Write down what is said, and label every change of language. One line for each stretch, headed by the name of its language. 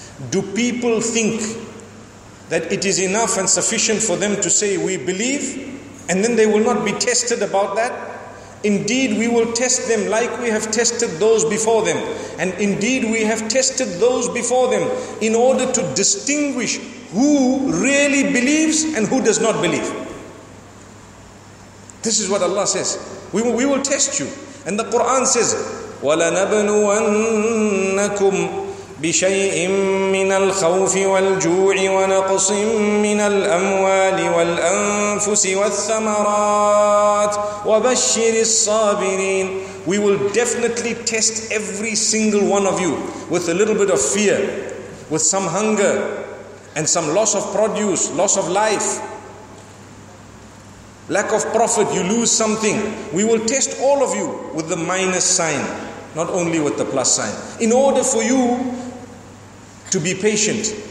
English: Do people think that it is enough and sufficient for them to say, we believe, and then they will not be tested about that? Indeed, we will test them like we have tested those before them. And indeed, we have tested those before them in order to distinguish who really believes and who does not believe. This is what Allah says. We will test you. And the Quran says,
Arabic: وَلَنَبْلُوَنَّكُمْ بِشَيْءٍ مِّنَ الْخَوْفِ وَالْجُوعِ وَنَقْصٍ مِّنَ الْأَمْوَالِ وَالْأَنفُسِ وَالثَّمَرَاتِ وَبَشِّرِ الصَّابِرِينَ.
English: We will definitely test every single one of you with a little bit of fear, with some hunger, and some loss of produce, loss of life, lack of profit, you lose something. We will test all of you with the minus sign, not only with the plus sign, in order for you to be patient.